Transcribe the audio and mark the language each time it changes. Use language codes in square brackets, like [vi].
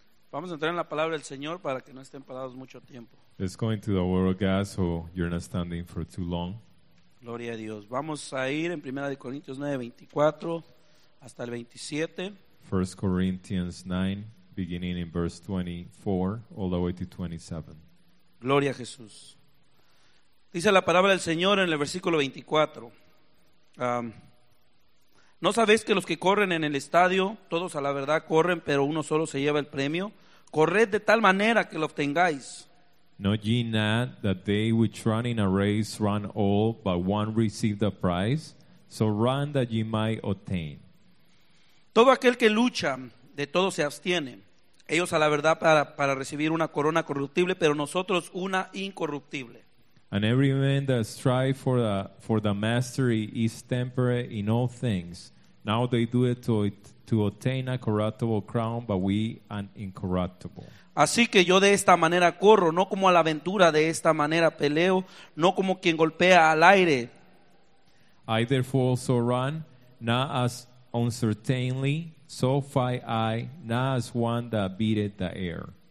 [es] Vamos a entrar en la palabra del Señor para que no estén parados mucho tiempo. [en] Let's go into the word of God so you're not standing for too long. [es] Gloria a Dios. Vamos a ir en 1 Corintios 9, 24 hasta el 27. [en] 1 Corinthians 9, beginning in verse 24, all the way to 27. [es] Gloria a Jesús. Dice la palabra del Señor en el versículo 24. ¿No sabéis que los que corren en el estadio, todos a la verdad corren, pero uno solo se lleva el premio? Corred de tal manera que lo obtengáis. [en] Know ye not that they which run in a race run all, but one receive the prize? So run that ye might obtain. [es] Todo aquel que lucha, de todo se abstiene. Ellos a la verdad para recibir una corona corruptible, pero nosotros una incorruptible. [en] And every man that strives for the mastery is temperate in all things. Now they do it to obtain a corruptible crown, but we an incorruptible. [es] Así que yo de esta manera corro, no como a la aventura, de esta manera peleo, no como quien golpea al aire. [en] I therefore also run, not as uncertainly, so fight I, not as one that beateth the air.